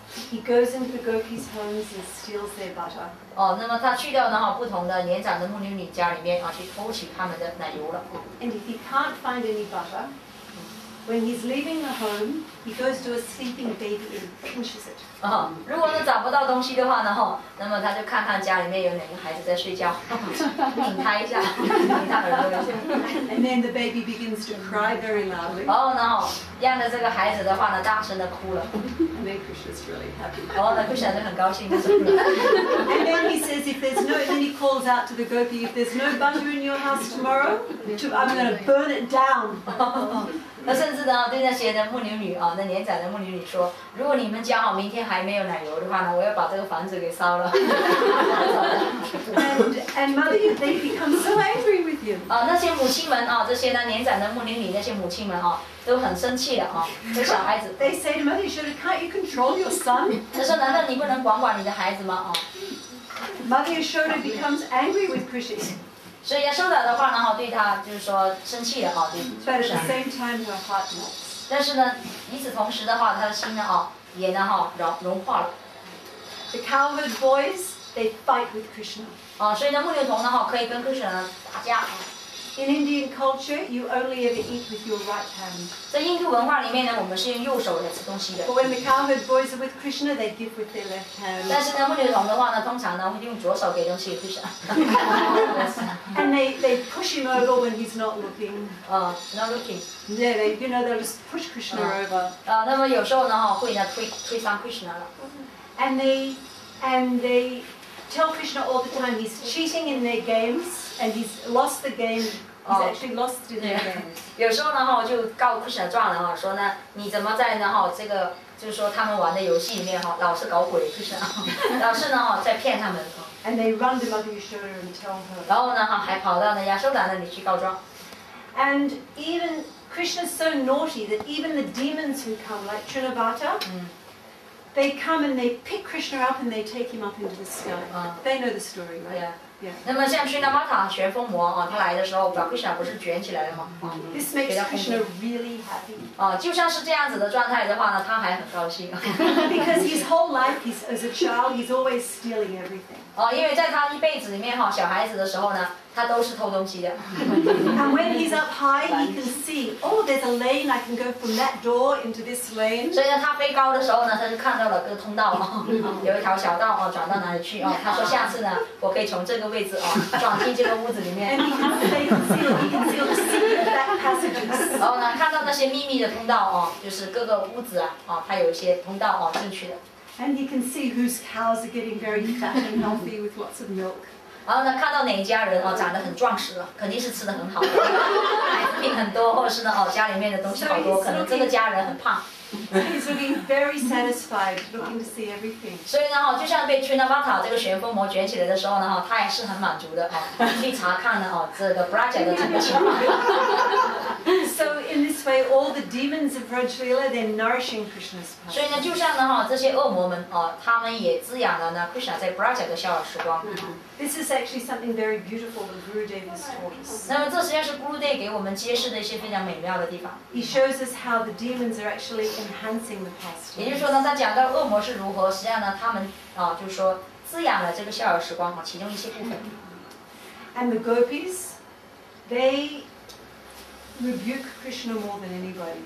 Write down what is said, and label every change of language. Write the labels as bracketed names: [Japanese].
[English] He goes into the gopis' homes and steals their butter. [Chinese] 哦，那么他去到然后不同的年长的牧牛女家里面啊，去偷取他们的奶油了。 [English] And if he can't find any butter, when he's leaving the home, he goes to a sleeping baby and pinches it. [Chinese] 啊，如果呢找不到东西的话呢，吼，那么他就看看家里面有哪个孩子在睡觉，拧他一下，拧他耳朵一下。 [English] And then the baby begins to cry very loudly. [Chinese] 哦，然后让着这个孩子的话呢，大声的哭了。 [English] Krishna's really happy. Oh, Krishna is very happy. And then he says, if there's no, then he calls out to the gopi, if there's no butter in your house tomorrow, I'm going to burn it down. [Chinese] 那甚至呢，对那些的牧牛女啊，那年长的牧牛女说，如果你们家啊明天还没有奶油的话呢，我要把这个房子给烧了。 [English] And mother, they become so angry with you. [Chinese] 啊，那些母亲们啊，这些呢年长的牧牛女那些母亲们啊，都很生气的啊，这小孩子。 [English] They say, mother, you should can't you control your son? [Chinese] 他说，难道你不能管管你的孩子吗？啊。 [English] Mother Yashoda becomes angry with Krishna. [Chinese] 所以亚瑟达的话呢，哈，对他就是说生气的哈，对。 [English] But at the same time, her heart melts. [Chinese] 但是呢，与此同时的话，他的心呢，哈，也呢，哈，融化了。 [English] The cowherd boys they fight with Krishna. [Chinese] 啊，所以呢，牧牛童呢，哈，可以跟 Krishna 打架。 [English] In Indian culture, you only ever eat with your right hand. [Chinese] 在印度文化里面呢，我们是用右手来吃东西的。 [English] But when the cowherd boys are with Krishna, they give with their left hand. [Chinese] 但是呢，牧牛童的话呢，通常呢会用左手给东西给 Krishna。 [English] And they push him over when he's not looking. Not looking. Yeah, they, you know, they'll just push Krishna over. [Chinese] 那么有时候呢，会呢推翻 Krishna 了。 [English] And they tell Krishna all the time he's cheating in their games. And he's lost the game. He's actually lost the game. [Chinese] 有时候呢，哈，就告诉 Krishna 撞了哈，说呢，你怎么在呢，哈，这个就是说他们玩的游戏里面哈，老是搞鬼 ，Krishna， 老是呢，哈，在骗他们。 [English] And they run to Mother Yashoda and tell her. [Chinese] 然后呢，哈，还跑到呢亚瑟达那里去告状。 [English] And even Krishna's so naughty that even the demons who come, like Trinavata, they come and they pick Krishna up and they take him up into the sky. They know the story, right? Yeah. [Chinese] 那么像去那玛塔旋风魔啊，他来的时候把 Krishna 不是卷起来了吗？ [English] This makes Krishna really happy. [Chinese] 啊，就像是这样子的状态的话呢，他还很高兴。 [English] Because his whole life, he's as a child, he's always stealing everything. [Chinese] 哦，因为在他一辈子里面哈，小孩子的时候呢，他都是偷东西的。 [English] And when he's up high, he can see, oh, there's a lane I can go from that door into this lane. [Chinese] 所以呢，他飞高的时候呢，他就看到了个通道啊，有一条小道啊，转到哪里去啊？他说下次呢，我可以从这个位置啊，转进这个屋子里面。 [English] And he can see, he can see the passages. [Chinese] 哦，看到那些秘密的通道啊，就是各个屋子啊，它有一些通道啊进去的。 [English] And he can see whose cows are getting very fat and healthy with lots of milk. [Chinese] 然后呢，看到哪一家人哦，长得很壮实了，肯定是吃得很好的，奶制品很多，或者是呢哦，家里面的东西好多，可能这个家人很胖。 [English] He's looking very satisfied, looking to see everything. [Chinese] 所以呢哈，就像被吹到巴塔这个旋风魔卷起来的时候呢哈，他也是很满足的哈，去查看呢哈这个 Braja 的整个情况。 [English] So in this way, all the demons of Rajlila they're nourishing Krishna's power. [Chinese] 所以呢，就像呢哈，这些恶魔们哦，他们也滋养了呢 Krishna 在 Braja 的逍遥时光。 [English] This is actually something very beautiful that Gurudev has taught us. [Chinese] 那么这实际上是 Gurudev 给我们揭示的一些非常美妙的地方。 [English] He shows us how the demons are actually enhancing the past. [Chinese] 也就是说呢，他讲到恶魔是如何，实际上呢，他们啊，就是说滋养了这个逍遥时光啊，其中一些部分。 [English] And the gopis, they rebuke Krishna more than anybody.